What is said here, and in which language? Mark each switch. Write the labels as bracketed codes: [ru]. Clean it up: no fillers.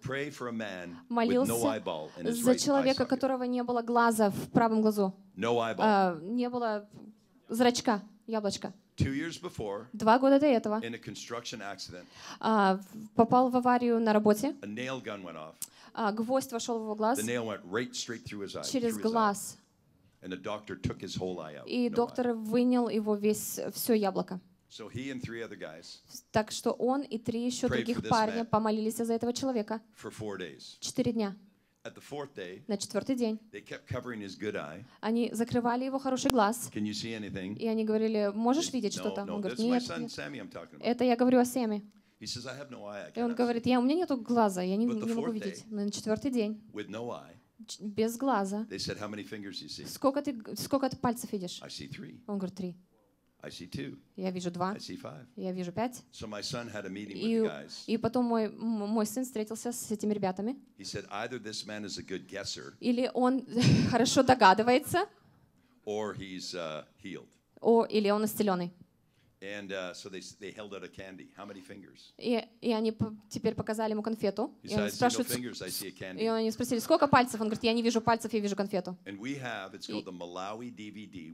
[en] Pray for a man [ru] молился [en] with no eyeball in his right eye. [ru] За человека, у которого не было глаза в правом глазу. [en] No eyeball. [ru] Не было зрачка, яблочка. [en] 2 years before, [ru] 2 года до этого. [en] In a construction accident. [ru] Попал в аварию на работе. [en] A nail gun went off. [ru] Гвоздь вошел в его глаз. [en] The nail went right straight through his eye. [ru] Через глаз. [en] And the doctor took his whole eye out. [ru] И доктор вынял его весь все яблоко. [en] So he and 3 other guys. [ru] Так что он и 3 еще других парня помолились за этого человека. [en] For 4 days. [ru] 4 дня. [en] At the fourth day. [ru] На 4-й день. [en] They kept covering his good eye. [ru] Они закрывали его хороший глаз. [en] Can you see anything? [ru] И они говорили, можешь видеть что-то? [en] No, no. [ru] Он говорит, [en] this is my son Sammy I'm talking [ru] about. Это я говорю о Сэме. [en] He says, I have no eye. [ru] И он говорит, я у меня нету глаза, я не могу видеть. Но на 4-й день. [en] With no eye. [ru] Без глаза. [en] They said, how many fingers you see? [ru] Сколько ты пальцев видишь? [en] I see 3. [ru] Он говорит, 3. [en] I see 2. [ru] Я вижу 2. [en] I see 5. [ru] Я вижу 5. [en] So my son had a meeting with the guys. [ru] И потом мой сын встретился с этими ребятами. [en] He said, either this man is a good guesser. [ru] Или он хорошо догадывается. [en] Or he's healed. [ru] Или он исцеленный. [en] And so they held out a candy. How many fingers? [ru] И они теперь показали ему конфету. И они спросили, сколько пальцев? Он говорит, я не вижу пальцев, я вижу конфету. [en] And we have, it's called the Malawi DVD.